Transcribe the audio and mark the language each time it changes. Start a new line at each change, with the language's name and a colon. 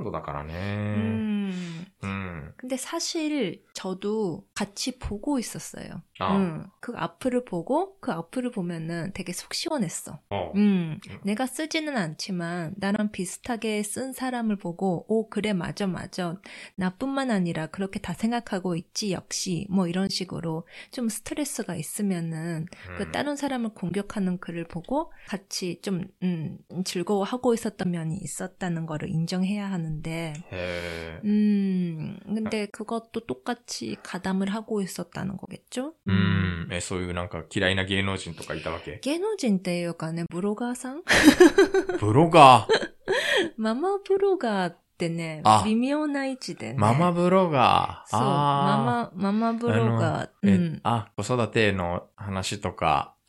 Japanese: って感じなんだけど、本当に多分自分たちがなんかこう賠償を請求されるとは思ってないっていう、思ってなくてやってる人たちがほとんどだからね。
Korean: 근데 사실 저도 같이 보고 있었어요. 그 악플을 보고 그 악플을 보면은 되게 속 시원했어. 내가 쓰지는 않지만 나랑 비슷하게 쓴 사람을 보고 오 그래 맞아 맞아 나뿐만 아니라 그렇게 다 생각하고 있지 역시 뭐 이런 식으로 좀 스트레스가 있으면은 그 다른 사람을 공격하는 글을 보고 같이 좀 즐거워하고 있었던 면이 있었다는 거를 인정해야 하는데 근데 그것도 똑같이 가담을 하고 있었다는 거겠죠?
Japanese: そういうなんか嫌いな芸能人とかいたわけ？芸能人っていうかね、ブロガーさん？ブロガー？ママブロガーってね、微妙な位置で。ママブロガー。ママブロガー。子育ての話とか。